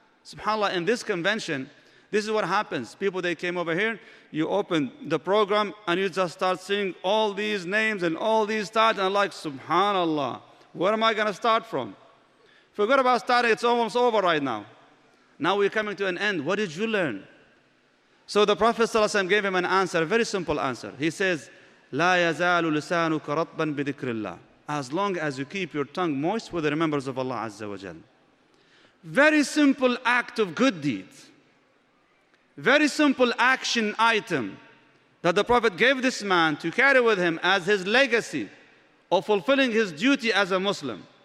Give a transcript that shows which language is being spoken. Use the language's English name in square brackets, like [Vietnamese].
[English] SubhanAllah, in this convention, this is what happens. People, they came over here, you open the program, and you just start seeing all these names and all these titles, and like, SubhanAllah, where am I going to start from? Forget about starting, it's almost over right now. Now we're coming to an end. What did you learn? So the Prophet sallallahu alaihi wasallam gave him an answer, a very simple answer. [Arabic] He says, لا يزال لسانك رطبا بذكر الله. [English] As long as you keep your tongue moist with the remembrance of Allah Azza wa Jal. Very simple act of good deeds. Very simple action item that the Prophet gave this man to carry with him as his legacy of fulfilling his duty as a Muslim.